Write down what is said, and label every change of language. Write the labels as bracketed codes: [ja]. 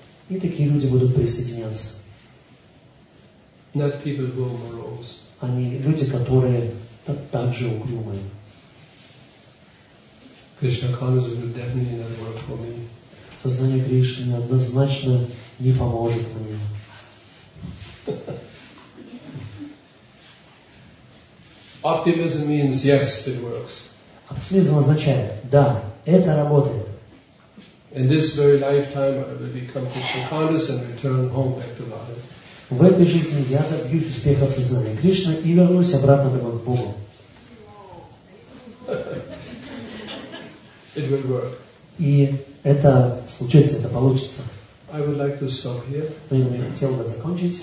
[ru] И такие люди будут присоединяться. [en] Not people who are morose. [ru] Они люди, которые также угрюмые. [en] Krishna consciousness will definitely not work for me. [ru] Сознание Кришны однозначно не поможет мне. [en] Optimism means yes, it works. [ru] Оптимизм означает да, это работает. [en] In this very lifetime, I will become Krishna conscious and return home back to God. [ru] В этой жизни я добьюсь успеха в сознании Кришны и вернусь обратно домой к Богу. [en] It will work. [ru] И это случится, это получится. [en] I would like to stop here. [ru] Я хотел бы закончить.